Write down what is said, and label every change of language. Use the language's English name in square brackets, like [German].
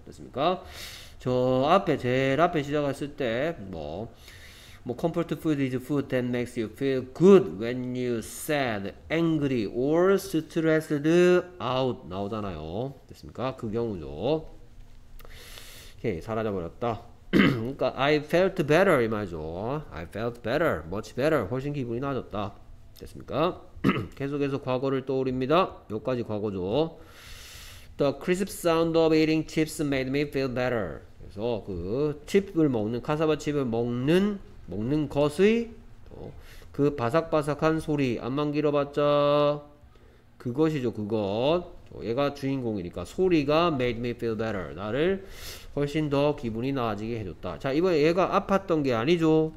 [Korean] 됐습니까? 저 앞에 제일 앞에 시작했을 때 뭐 컴포트 푸드 [English] is food that makes you feel good when you sad, angry or stressed out [Korean] 나오잖아요. 됐습니까? 그 경우죠. 오케이, 사라져 버렸다. 그러니까 [English] I felt better [Korean] 이 말이죠. [English] I felt better, much better. [Korean] 훨씬 기분이 나아졌다. 됐습니까? 계속해서 과거를 떠올립니다. 여기까지 과거죠. [English] The crisp sound of eating chips made me feel better. [Korean] 그래서 그 칩을 먹는 카사바 칩을 먹는 것의 그 바삭바삭한 소리 안만 길어봤자 그것이죠. 그것 얘가 주인공이니까 소리가 [English] made me feel better. [Korean] 나를 훨씬 더 기분이 나아지게 해줬다. 자, 이번에 얘가 아팠던 게 아니죠.